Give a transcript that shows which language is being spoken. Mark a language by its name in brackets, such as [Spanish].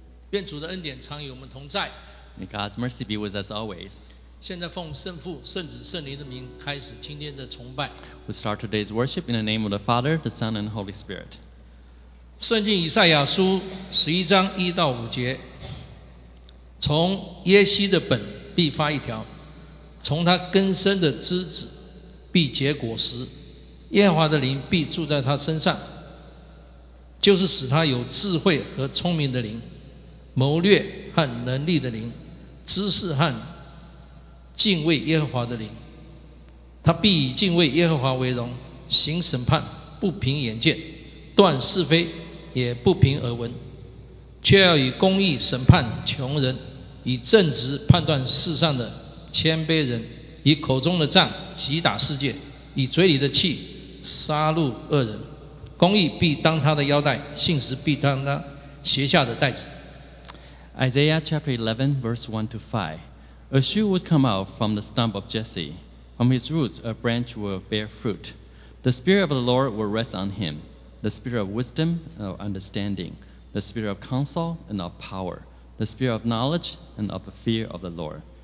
[Chinese] 愿主的恩典常与我们同在。 [English] May God's mercy be with us always. [Chinese] 现在奉圣父、圣子、圣灵的名开始今天的崇拜。 [English] We start today's worship in the name of the Father, the Son, and Holy Spirit. [Chinese] 圣经以赛亚书十一章一到五节，从耶西的本必发一条，从他根深的枝子必结果实。耶和华的灵必住在他身上，就是使他有智慧和聪明的灵，谋略和能力的灵，知识和敬畏耶和华的灵。他必以敬畏耶和华为荣，行审判，不凭眼见，断是非，也不凭耳闻，却要以公义审判穷人，以正直判断世上的谦卑人，以口中的杖击打世界，以嘴里的气杀戮恶人。公义必当他的腰带，信实必当他胁下的带子。 [English] Isaiah chapter 11 verse 1-5. A shoot would come out from the stump of Jesse. From his roots a branch will bear fruit. The spirit of the Lord will rest on him, the spirit of wisdom and of understanding, the spirit of counsel and of power, the spirit of knowledge and of the fear of the Lord.